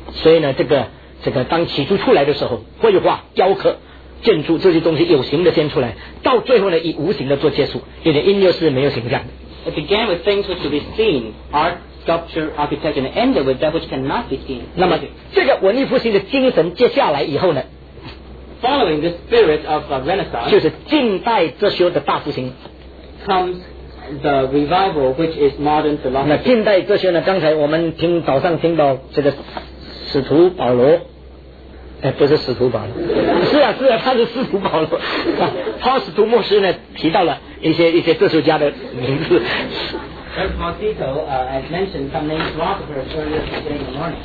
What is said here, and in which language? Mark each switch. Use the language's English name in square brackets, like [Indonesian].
[Chinese] 所以呢这个当起初出来的时候绘画雕刻建筑这些东西有形的先出来到最后呢以无形的做结束因为音乐是没有形象的 [English] It began with things which could be seen Art, sculpture, architecture And ended with that which cannot be seen [Chinese] 那么这个文艺复兴的精神接下来以后呢 [English] Following the spirit of the Renaissance, [Chinese] 就是近代哲学的大复兴 [English] comes the revival, which is modern philosophy. [Chinese] 那近代哲学呢？刚才我们听早上听到这个使徒保罗，不是使徒保罗，是啊是啊，他是使徒保罗。 Paul 使徒牧师呢提到了一些哲学家的名字。 [English] As mentioned, some names philosophers earlier today in the morning.